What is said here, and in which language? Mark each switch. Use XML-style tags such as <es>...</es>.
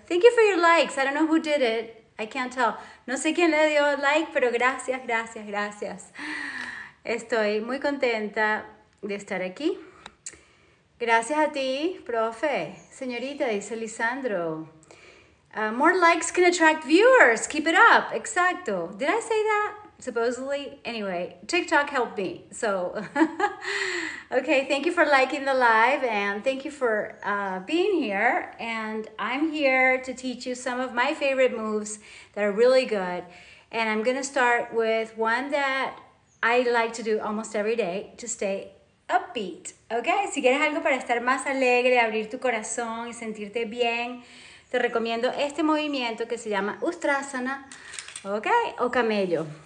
<en>Thank you for your likes, I don't know who did it, I can't tell.</en> <es>No sé quién le dio like, pero gracias, gracias, gracias. Estoy muy contenta de estar aquí. Gracias a ti, profe, señorita, dice Lisandro.</es> <en>More likes can attract viewers, keep it up, exacto. Did I say that? Supposedly, anyway, TikTok helped me. So, okay, thank you for liking the live and thank you for being here. And I'm here to teach you some of my favorite moves that are really good. And I'm gonna start with one that I like to do almost every day to stay upbeat.</en> <es>Okay, si quieres algo para estar más alegre, abrir tu corazón y sentirte bien, te recomiendo este movimiento que se llama Ustrasana, okay, o camello.</es>